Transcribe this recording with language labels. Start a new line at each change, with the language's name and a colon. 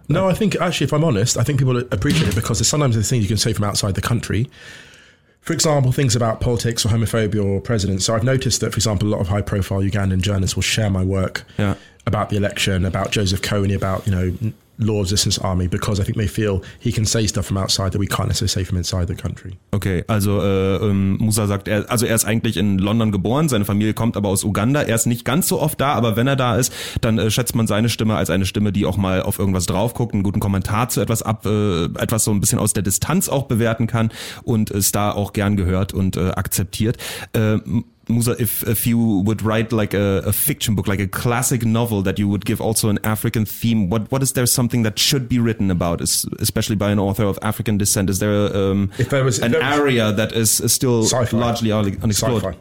English: No, I think actually, if I'm honest, I think people appreciate it, because there's sometimes there's things you can say from outside the country. For example, things about politics or homophobia or presidents. So I've noticed that, for example, a lot of high profile Ugandan journalists will share my work about the election, about Joseph Kony, about, you know, Law of Resistance Army, because I think they feel he can say stuff from outside that we can't necessarily say from inside the country.
German: Okay, also Musa sagt, er ist eigentlich in London geboren, seine Familie kommt aber aus Uganda, er ist nicht ganz so oft da, aber wenn er da ist, dann schätzt man seine Stimme als eine Stimme, die auch mal auf irgendwas drauf guckt, einen guten Kommentar zu etwas ab, etwas so ein bisschen aus der Distanz auch bewerten kann und ist da auch gern gehört und akzeptiert.
English: Musa, if you would write like a fiction book, like a classic novel that you would give also an African theme, what is there something that should be written about, especially by an author of African descent? Is there largely unexplored?